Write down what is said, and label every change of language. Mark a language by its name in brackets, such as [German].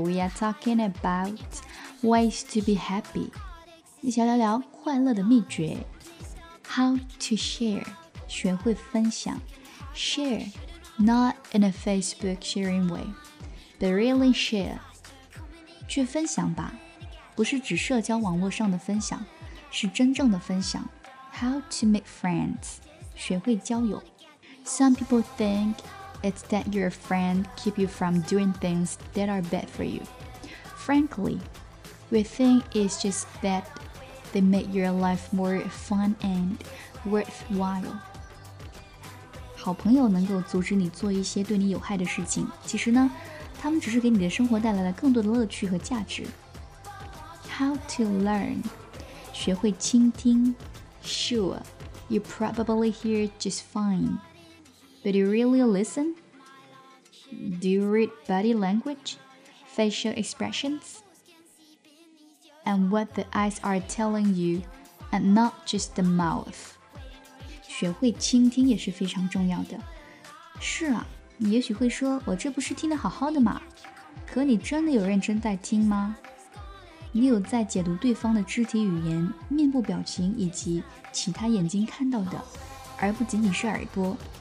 [English] We are talking about ways to be happy. [Chinese] 一起聊聊快乐的秘诀。 [English] How to share, [Chinese] 学会分享。 [English] Share, not in a Facebook sharing way, but really share. [Chinese] 去分享吧，不是指社交网络上的分享，是真正的分享。 [English] How to make friends, [Chinese] 学会交友。 [English] Some people think,It's that your friend keep you from doing things that are bad for you. Frankly, we think it's just that they make your life more fun and worthwhile. [Chinese] 好朋友能够阻止你做一些对你有害的事情，其实呢，他们只是给你的生活带来了更多的乐趣和价值。 [English] How to learn? [Chinese] 学会倾听。 [English] Sure, you probably hear just fine. But you really listen? Do you read body language, facial expressions, and what the eyes are telling you, and not just the mouth? [Chinese] 学会倾听也是非常重要的。是啊，你也许会说，我这不是听得好好的吗？可你真的有认真在听吗？你有在解读对方的肢体语言、面部表情以及其他眼睛看到的，而不仅仅是耳朵。